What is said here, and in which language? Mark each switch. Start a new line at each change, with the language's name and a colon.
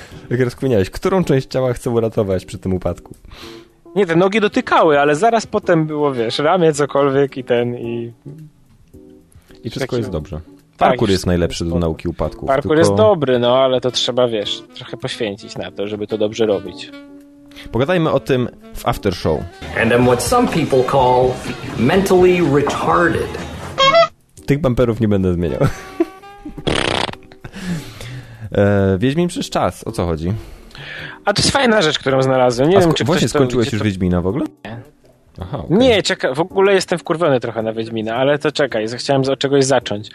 Polish: Jak rozkminiałeś, którą część ciała chcę uratować przy tym upadku? Nie, te nogi dotykały, ale zaraz potem było, wiesz, ramię, cokolwiek i ten i... I wszystko jest dobrze. Parkour jest najlepszy do nauki upadku. Parkour jest dobry, no, ale to trzeba, wiesz, trochę poświęcić na to, żeby to dobrze robić. Pogadajmy o tym w after show.
English: And I'm what some people call mentally retarded.
Polish: Tych bamperów nie będę zmieniał. Wiedźmin przez czas, o co chodzi? A to jest fajna rzecz, którą znalazłem. Nie wiem, czy właśnie skończyłeś już to... Wiedźmina w ogóle? Nie. Aha, okay. Nie, czekaj, w ogóle jestem wkurwiony trochę na Wiedźmina, ale to czekaj, chciałem od czegoś zacząć.